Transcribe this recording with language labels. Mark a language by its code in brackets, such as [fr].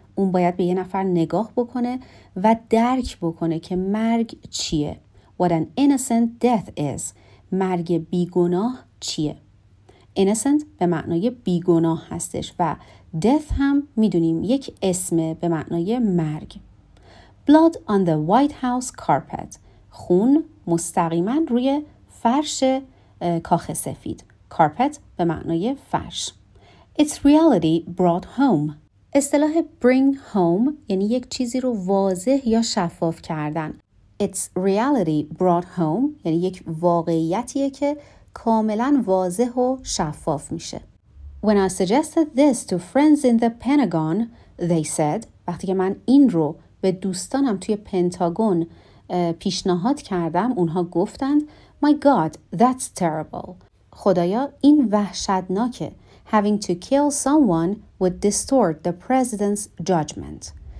[fa] اون باید به یه نفر نگاه بکنه و درک بکنه که مرگ چیه. [en] What an innocent death is. [fa] مرگ بیگناه چیه. Innocent به معنای بیگناه هستش و death هم میدونیم یک اسم به معنای مرگ. [en] Blood on the White House carpet. [fa] خون مستقیماً روی فرش کاخ سفید. Carpet به معنای فرش. [en] It's reality brought home. [fa] اصطلاح bring home یعنی یک چیزی رو واضح یا شفاف کردن. [en] It's reality brought home [fa] یعنی یک واقعیتیه که کاملاً واضح و شفاف میشه. [en] When I suggested this to friends in the Pentagon, they said، [fa] وقتی که من این رو به دوستانم توی پنتاگون پیشنهاد کردم، اونها گفتند [en] My God, that's terrible. [fa] خدایا این وحشتناکه. [en] Having to kill someone would distort the president's judgment.